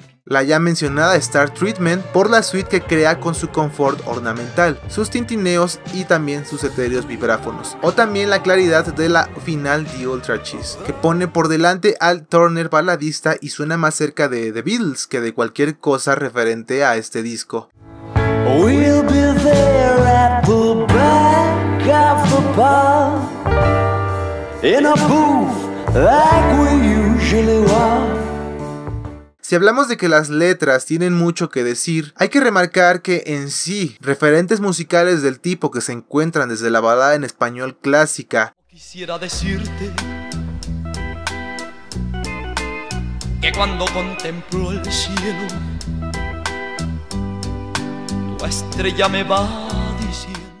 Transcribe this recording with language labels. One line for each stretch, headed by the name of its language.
Spanish: la ya mencionada Star Treatment por la suite que crea con su confort ornamental, sus tintineos y también sus etéreos vibráfonos, o también la claridad de la final The Ultra Cheese, que pone por delante al Turner baladista y suena más cerca de The Beatles que de cualquier cosa referente a este disco.
English: We'll be there at the back of the bar, in a booth like we usually are.
Spanish: Si hablamos de que las letras tienen mucho que decir, hay que remarcar que en sí, referentes musicales del tipo que se encuentran desde la balada en español clásica. Quisiera decirte que cuando contemplo el cielo, tu estrella me va diciendo.